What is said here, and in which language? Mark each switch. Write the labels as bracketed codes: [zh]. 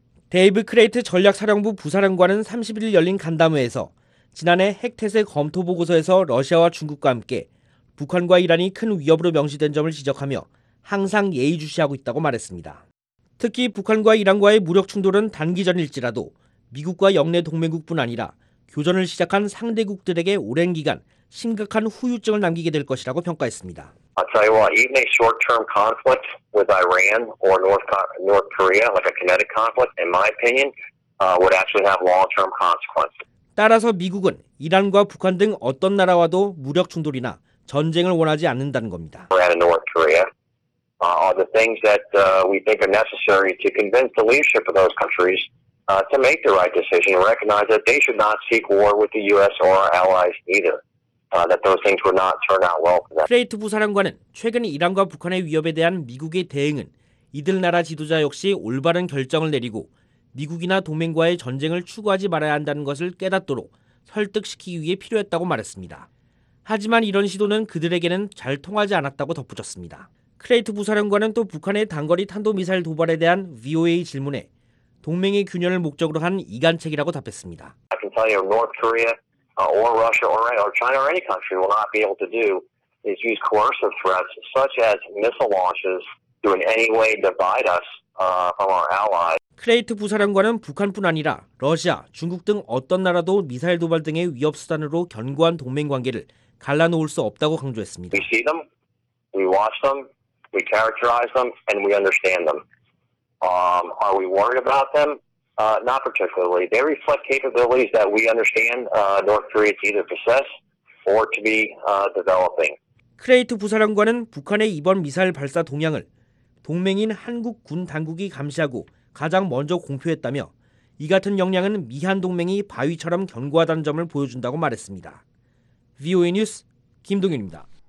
[ko] 데이브 크레이트 전략사령부 부사령관은 31일 열린 간담회에서 지난해 핵태세 검토 보고서에서 러시아와 중국과 함께 북한과 이란이 큰 위협으로 명시된 점을 지적하며 항상 예의주시하고 있다고 말했습니다. 특히 북한과 이란과의 무력 충돌은 단기전일지라도 미국과 영내 동맹국뿐 아니라 교전을 시작한 상대국들에게 오랜 기간 심각한 후유증을 남기게 될 것이라고 평가했습니다. [en] I'll tell you what, even a short-term conflict with Iran or North Korea, like a kinetic conflict, in my opinion, would actually have long-term consequences. [ko] 따라서 미국은 이란과 북한 등 어떤 나라와도 무력 충돌이나 전쟁을 원하지 않는다는 겁니다. [en] Are the things that we think are necessary to convince the leadership of those countries to make the right decision and recognize that they should not seek war with the U.S. or our allies either. that those things would not turn out well for them. [ko] 스트레이트 부사령관은 최근 이란과 북한의 위협에 대한 미국의 대응은 이들 나라 지도자 역시 올바른 결정을 내리고 미국이나 동맹과의 전쟁을 추구하지 말아야 한다는 것을 깨닫도록 설득시키기 위해 필요했다고 말했습니다. 하지만 이런 시도는 그들에게는 잘 통하지 않았다고 덧붙였습니다. 크레이트 부사령관은 또 북한의 단거리 탄도미사일 도발에 대한 VOA 질문에 동맹의 균열을 목적으로 한 이간책이라고 답했습니다. [en] I can tell you North Korea or Russia or China or any country will not be able to do is use coercive threats such as missile launches to in any way divide us from our allies. [ko] 크레이트 부사령관은 북한뿐 아니라 러시아, 중국 등 어떤 나라도 미사일 도발 등의 위협 수단으로 견고한 동맹 관계를 갈라놓을 수 없다고 강조했습니다. [en] We see them, we watch them, we characterize them, and we understand them. Are we worried about them? Not particularly. They reflect capabilities that we understand North Korea to either possess or to be developing. [ko] 크레이트 부사령관은 북한의 이번 미사일 발사 동향을 동맹인 한국 군 당국이 감시하고 가장 먼저 공표했다며 이 같은 역량은 미한 동맹이 바위처럼 견고하다는 점을 보여준다고 말했습니다. VOA 뉴스 김동윤입니다.